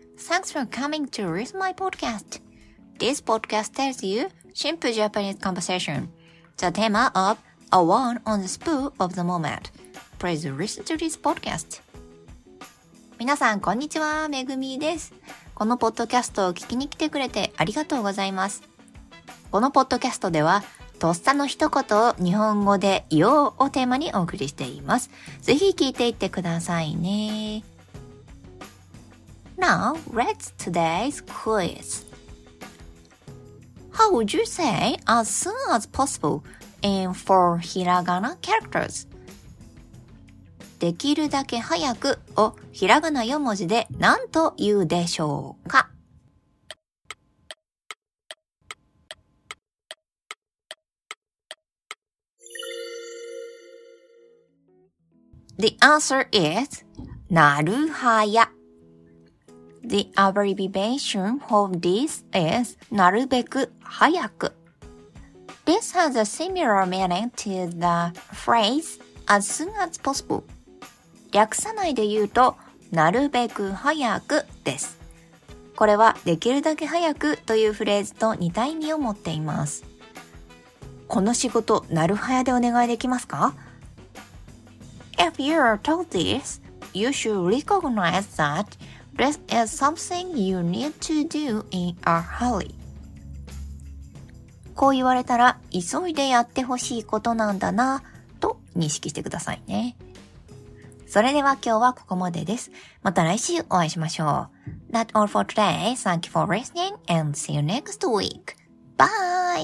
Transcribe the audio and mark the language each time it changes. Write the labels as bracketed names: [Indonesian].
[English] Thanks for coming to listen my podcast. This podcast tells you simple Japanese conversation. The theme of a one on the spur of the moment. Please listen to this podcast. [Japanese] 皆さんこんにちは、めぐみです。このポッドキャストを聞きに来てくれてありがとうございます。このポッドキャストではとっさの一言を日本語で言おうをテーマにお送りしています。ぜひ聞いていってくださいね。 [English] Now, let's today's quiz. How would you say as soon as possible in four hiragana characters? [Japanese] できるだけ早くをひらがな4文字で何と言うでしょうか。 [English] The answer is なるはや。 The abbreviation of this is なるべく早く。 This has a similar meaning to the phrase as soon as possible. [Japanese] 略さないで言うと、なるべく早くです。これは、できるだけ早くというフレーズと似た意味を持っています。この仕事、なるはやでお願いできますか? [English] If you are told this, you should recognize that this is something you need to do in a hurry. [Japanese] こう言われたら、急いでやってほしいことなんだな、と認識してくださいね。それでは今日はここまでです。また来週お会いしましょう。 [English] That's all for today. Thank you for listening and see you next week. Bye!